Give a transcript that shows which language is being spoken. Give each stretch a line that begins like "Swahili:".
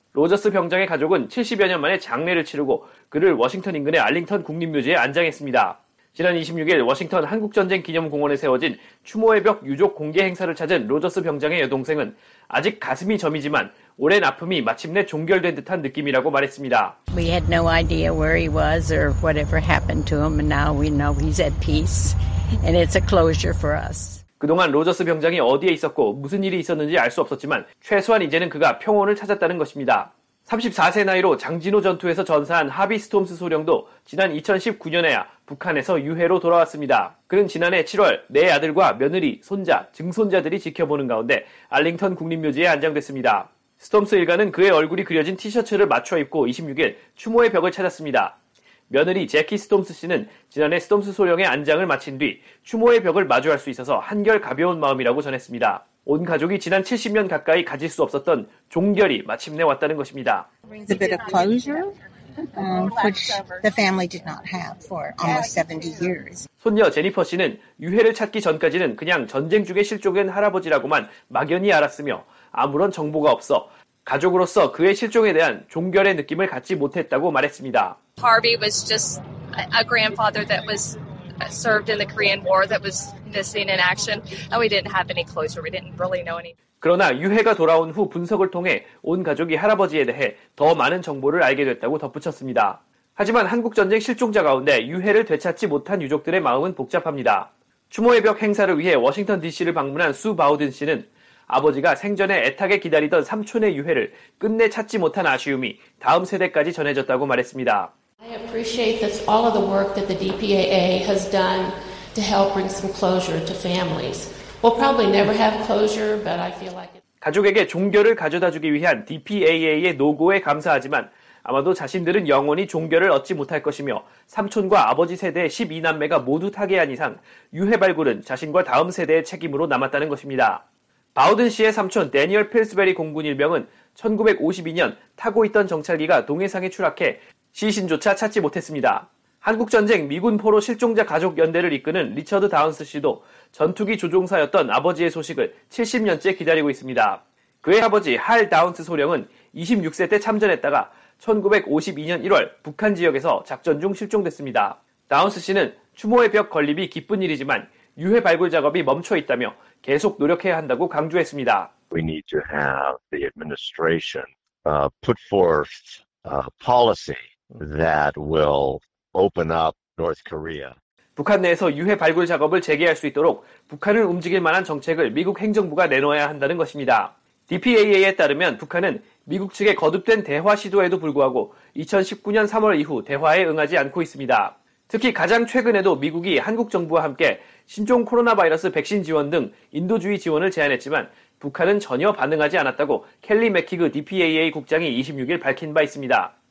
Korean: 로저스 병장의 가족은 70여 년 만에 장례를 치르고 그를 워싱턴 인근의 알링턴 국립묘지에 안장했습니다. 지난 26일 워싱턴 한국전쟁기념공원에 세워진 추모의 벽 유족 공개 행사를 찾은 로저스 병장의 여동생은 아직 가슴이 저미지만 오랜 아픔이 마침내 종결된 듯한 느낌이라고 말했습니다.
English: We had no idea where he was or whatever happened to him and now we know he's at peace and it's a closure for us.
Korean: 그동안 로저스 병장이 어디에 있었고 무슨 일이 있었는지 알 수 없었지만 최소한 이제는 그가 평온을 찾았다는 것입니다. 34세 나이로 장진호 전투에서 전사한 하비 스톰스 소령도 지난 2019년에야 북한에서 유해로 돌아왔습니다. 그는 지난해 7월 내 아들과 며느리, 손자, 증손자들이 지켜보는 가운데 알링턴 국립묘지에 안장됐습니다. 스톰스 일가는 그의 얼굴이 그려진 티셔츠를 맞춰 입고 26일 추모의 벽을 찾았습니다. 며느리 제키 스톰스 씨는 지난해 스톰스 소령의 안장을 마친 뒤 추모의 벽을 마주할 수 있어서 한결 가벼운 마음이라고 전했습니다. 온 가족이 지난 70년 가까이 가질 수 없었던 종결이 마침내 왔다는 것입니다.
English: It's a bit of closure, which the family did not have for almost 70 years.
Korean: 손녀 제니퍼 씨는 유해를 찾기 전까지는 그냥 전쟁 중에 실종된 할아버지라고만 막연히 알았으며 아무런 정보가 없어 가족으로서 그의 실종에 대한 종결의 느낌을 갖지 못했다고 말했습니다.
English: Harvey was just a grandfather that was served in the Korean War that was missing in action and we didn't have any closure. We didn't really know any.
Korean: 그러나 유해가 돌아온 후 분석을 통해 온 가족이 할아버지에 대해 더 많은 정보를 알게 됐다고 덧붙였습니다. 하지만 한국 전쟁 실종자 가운데 유해를 되찾지 못한 유족들의 마음은 복잡합니다. 추모의 벽 행사를 위해 워싱턴 DC를 방문한 수 바우든 씨는 아버지가 생전에 애타게 기다리던 삼촌의 유해를 끝내 찾지 못한 아쉬움이 다음 세대까지 전해졌다고 말했습니다.
English: I appreciate this, all of the work that the DPAA has done to help bring some closure to families. We'll probably never have closure, but I feel like it's...
Korean: 가족에게 종결을 가져다주기 위한 DPAA의 노고에 감사하지만 아마도 자신들은 영원히 종결을 얻지 못할 것이며 삼촌과 아버지 세대의 12남매가 모두 타계한 이상 유해 발굴은 자신과 다음 세대의 책임으로 남았다는 것입니다. 바우든 씨의 삼촌 대니얼 필스베리 공군 일병은 1952년 타고 있던 정찰기가 동해상에 추락해 시신조차 찾지 못했습니다. 한국전쟁 미군 포로 실종자 가족 연대를 이끄는 리처드 다운스 씨도 전투기 조종사였던 아버지의 소식을 70년째 기다리고 있습니다. 그의 아버지 할 다운스 소령은 26세 때 참전했다가 1952년 1월 북한 지역에서 작전 중 실종됐습니다. 다운스 씨는 추모의 벽 건립이 기쁜 일이지만 유해 발굴 작업이 멈춰 있다며 계속 노력해야 한다고 강조했습니다.
English: We need to have the administration put forth a policy that will open up North Korea.
Korean: 북한 내에서 유해 발굴 작업을 재개할 수 있도록 북한을 움직일 만한 정책을 미국 행정부가 내놓아야 한다는 것입니다. DPAA에 따르면 북한은 미국 측의 거듭된 대화 시도에도 불구하고 2019년 3월 이후 대화에 응하지 않고 있습니다. 특히 가장 최근에도 미국이 한국 정부와 함께 신종 코로나 바이러스 백신 지원 등 인도주의 지원을 제안했지만 북한은 전혀 반응하지 않았다고 켈리 맥히그 DPAA 국장이 26일 밝힌 바 있습니다.